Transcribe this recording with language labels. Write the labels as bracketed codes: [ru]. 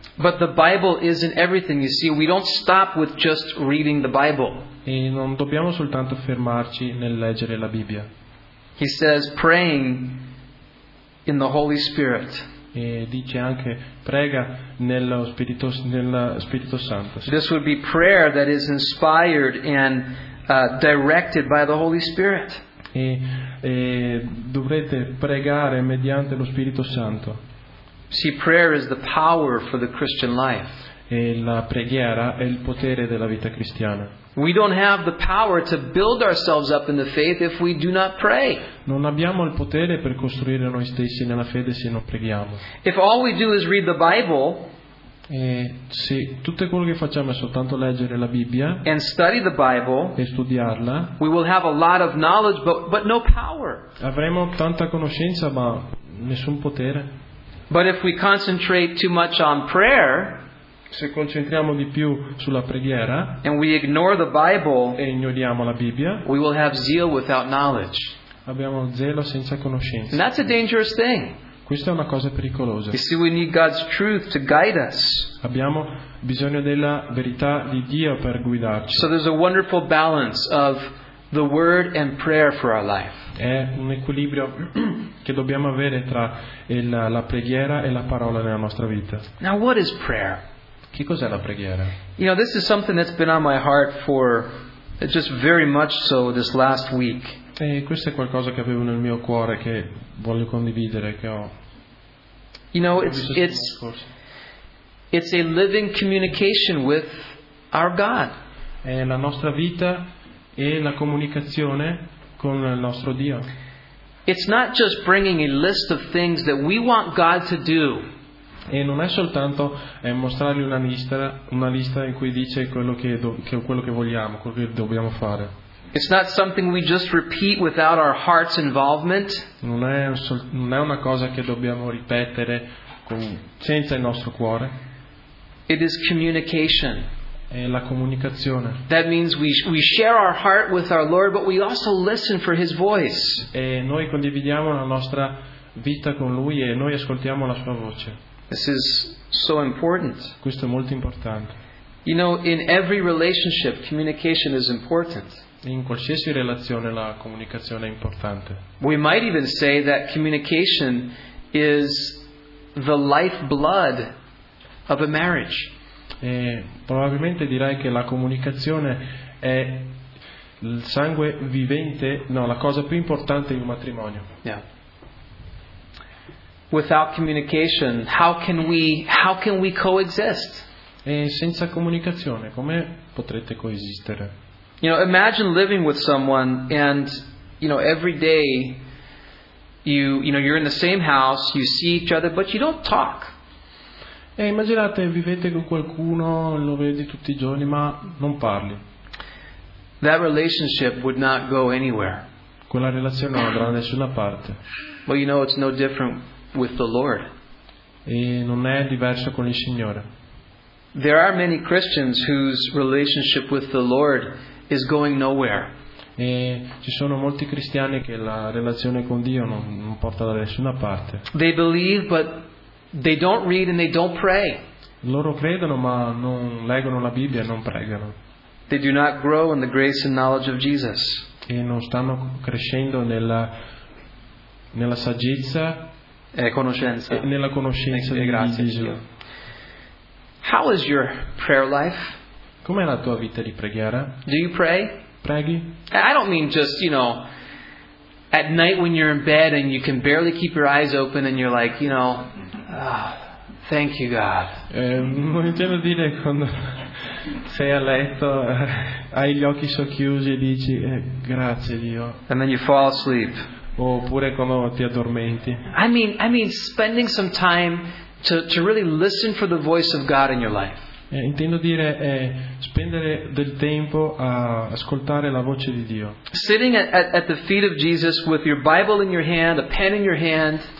[en] But the Bible isn't everything. You see, we don't stop with just reading the Bible. [it] E non dobbiamo soltanto fermarci nel leggere la Bibbia. [en] He says, praying in the Holy Spirit. [it] E dice anche prega nello Spirito Santo. [en] This would be prayer that is inspired and directed by the Holy Spirit. [it] E dovrete pregare mediante lo Spirito Santo. [en] See, prayer is the power for the Christian life. [it] E la preghiera è il potere della vita cristiana. [en] We don't have the power to build ourselves up in the faith if we do not pray. [it] Non abbiamo il potere per costruire noi stessi nella fede se non preghiamo. [en] If all we do is read the Bible, [it] e se tutto quello che facciamo è soltanto leggere la Bibbia, [en] and study the Bible, [it] e studiarla, [en] we will have a lot of knowledge but no power. [it] Avremo tanta conoscenza ma nessun potere. [en] But if we concentrate too much on prayer, [it] se concentriamo di più sulla preghiera, [en] and we ignore the Bible, [it] e ignoriamo la Bibbia, [en] we will have zeal without knowledge. [it] Abbiamo zelo senza conoscenza. [en] And that's a dangerous thing. [it] Questa è una cosa pericolosa. [en] You see, we need God's truth to guide us. [it] Abbiamo bisogno della verità di Dio per guidarci. [en] So there's a wonderful balance of the word and prayer for our life. [it] È un equilibrio che dobbiamo avere tra la preghiera e la parola nella nostra vita. [en] Now what is prayer? [it] Che cos'è la preghiera? [en] You know, this is something that's been on my heart for just very much so this last week. [it] E questo è qualcosa che avevo nel mio cuore che voglio condividere, che ho. [en] You know, it's a living communication with our God. [it] È la nostra vita e la comunicazione con il nostro Dio. [en] It's not just bringing a list of things that we want God to do. [it] E non è soltanto mostrargli una lista in cui dice quello che vogliamo, quello che dobbiamo fare. [en] It's not something we just repeat without our heart's involvement. [it] Non è una cosa che dobbiamo ripetere senza il nostro cuore. [en] It is communication. [it] È la comunicazione. [en] That means we share our heart with our Lord, but we also listen for His voice. [it] E noi condividiamo la nostra vita con Lui e noi ascoltiamo la Sua voce. [en] This is so important. [it] Questo è molto importante. [en] You know, in every relationship, communication is important. [it] In qualsiasi relazione la comunicazione è importante. [en] We might even say that communication is the lifeblood of a marriage. [it] E probabilmente direi che la comunicazione è il sangue vivente, no, la cosa più importante di un matrimonio. [en] Yeah. Without communication, how can we coexist? [it] E senza comunicazione, come potrete coesistere? [en] You know, imagine living with someone and, you know, every day you know you're in the same house, you see each other, but you don't talk. [it] E immaginate, vivete con qualcuno, lo vedi tutti i giorni, ma non parli. [en] That relationship would not go anywhere. [it] Quella relazione non andrà da nessuna parte. [en] Well, you know, it's no different with the Lord. [it] E non è diverso con il Signore. [en] There are many Christians whose relationship with the Lord is going nowhere. [it] E ci sono molti cristiani che la relazione con Dio non porta da nessuna parte. [en] They believe but they don't read and they don't pray. [it] Loro credono ma non leggono la Bibbia e non pregano. [en] They do not grow in the grace and knowledge of Jesus. [it] E non stanno crescendo nella saggezza e conoscenza. E nella conoscenza e grazie di Gesù. [en] How is your prayer life? [it] Com'è la tua vita di preghiera? [en] Do you pray? [it] Preghi? [en] I don't mean just, you know, at night when you're in bed and you can barely keep your eyes open and you're like, you know, thank you God. [it] Momento di dire quando sei a letto, hai gli occhi socchiusi e dici grazie Dio. [en] And then you fall asleep. [it] Oppure quando ti addormenti. [en] I mean spending some time to really listen for the voice of God in your life. [it] Intendo dire è spendere del tempo a ascoltare la voce di Dio. [en] Sitting at the feet of Jesus with your Bible in your hand, a pen in your hand.